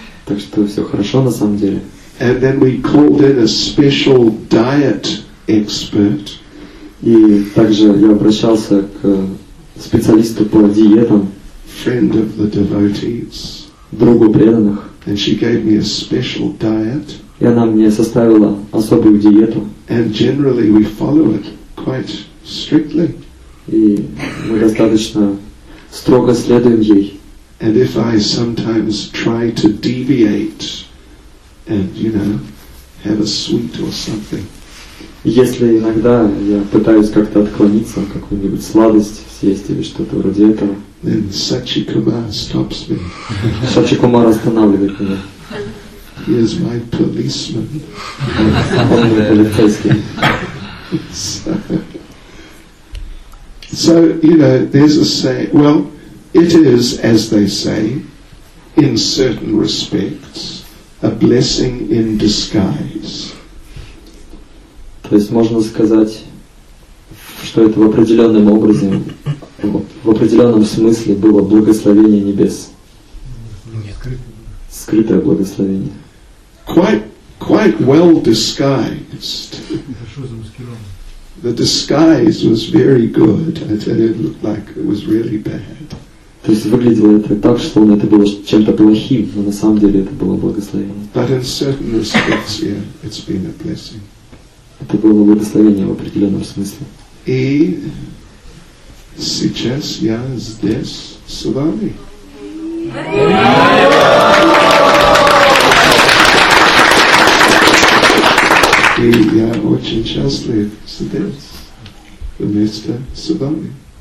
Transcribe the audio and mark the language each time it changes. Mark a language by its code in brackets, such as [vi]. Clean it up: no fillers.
[ru] Так что все хорошо на самом деле. [en] And then we called in a special diet expert. [ru] И также я обращался к специалисту по диетам. [en] Friend of the devotees. [ru] Другу преданных. [en] And she gave me a special diet. [ru] И она мне составила особую диету. [en] And generally we follow it quite strictly. [ru] И мы достаточно строго следуем ей. [en] And if I sometimes try to deviate and, you know, have a sweet or something. [ru] Если иногда я пытаюсь как-то отклониться, какую-нибудь сладость съесть или что-то вроде этого, [en] then Sachi Kumar stops me. [ru] Сачи Кумар останавливает меня. [en] He is my policeman. [ru] Он мой полицейский. [en] So, you know, there's a say, well, it is, as they say, in certain respects, a blessing in disguise. [ru] То есть можно сказать, что это в определенном образе, в определенном смысле было благословение небес. Нет. Скрытое благословение. [en] Quite well disguised. [ru] Хорошо замаскировано. [en] The disguise was very good. It looked like it was really bad. [ru] То есть выглядело это так, что это было чем-то плохим, но на самом деле это было благословение. [en] But in certain respects, yeah, it's been a blessing. [ru] Это было благословение в определенном смысле. И сейчас я здесь с вами. И я очень счастлив здесь, вместо с вами.